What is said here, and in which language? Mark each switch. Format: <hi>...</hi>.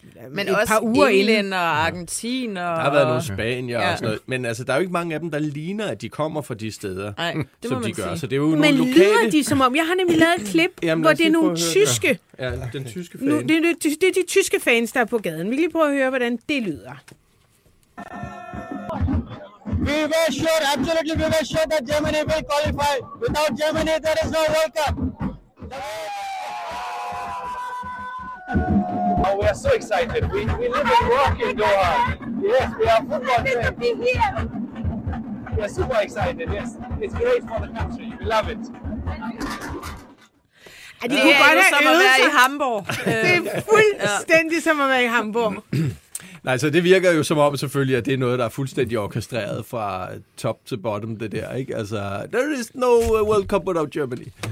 <da>Men et par uger England og Argentin. Og, der har været noget Spanier og sådan noget. Men altså, der er jo ikke mange af dem, der ligner, at de kommer fra de steder, som de gør. Så det er jo men nogle lokale... lyder de som om? Jeg har nemlig lavet et klip, hvor det er nogle tyske... Ja, den tyske fan. Nu, det er de tyske fans, der er på gaden. Vi kan lige prøve at høre, hvordan det lyder.</da> <en>We were sure, absolutely we were sure that Germany will qualify. Without Germany, there is no World Cup. Oh, we are so excited. We live and work in Doha. Yes, we are football fans. To be here. We are super excited, yes. It's great for the country. We love it.</en> <da>Ja, de kunne godt det er have som at være i Hamburg. Det er fuldstændig som at være i Hamburg. Nej, så det virker jo som om selvfølgelig, at det er noget, der er fuldstændig orkestreret fra top til bottom, det der, ikke? Altså,</da> <en>there is no World Cup without Germany.</en>